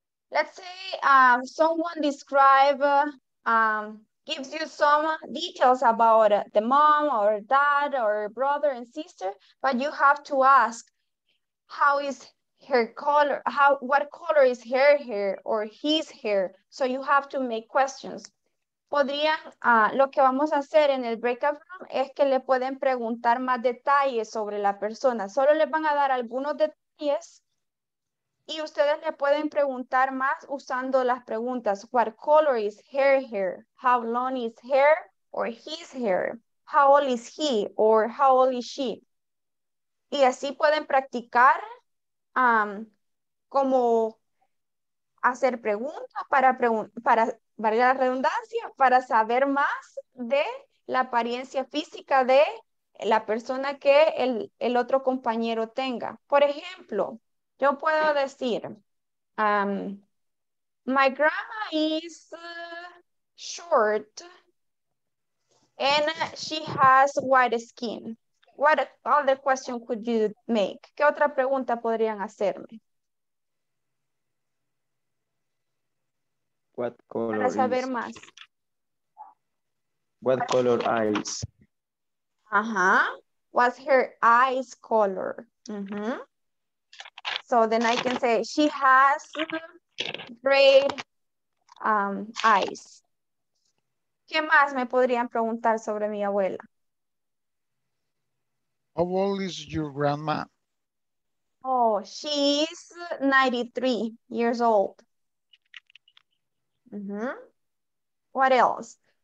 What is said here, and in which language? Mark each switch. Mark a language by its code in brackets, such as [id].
[en] Let's say someone describe, gives you some details about the mom or dad or brother and sister, but you have to ask how is her color, how, what color is her hair or his hair? So you have to make questions. [es] Podrían, lo que vamos a hacer en el breakout room es que le pueden preguntar más detalles sobre la persona. Solo les van a dar algunos detalles y ustedes le pueden preguntar más usando las preguntas. [en] What color is her hair? How long is hair or his hair? How old is he or how old is she? [es] Y así pueden practicar como hacer preguntas para valga la redundancia, para saber más de la apariencia física de la persona que el otro compañero tenga. Por ejemplo, yo puedo decir, [en] my grandma is short and she has white skin. What other question could you make? [es] ¿Qué otra pregunta podrían hacerme? [en] What color? [es] Para saber is... más. [en] What color eyes? Ajá. Uh-huh. What's her eyes color? Mm-hmm. So then I can say she has red eyes. [es] ¿Qué más me podrían preguntar sobre mi abuela? [en] How old is your grandma? Oh, she's 93 years old. Mm-hmm. What else?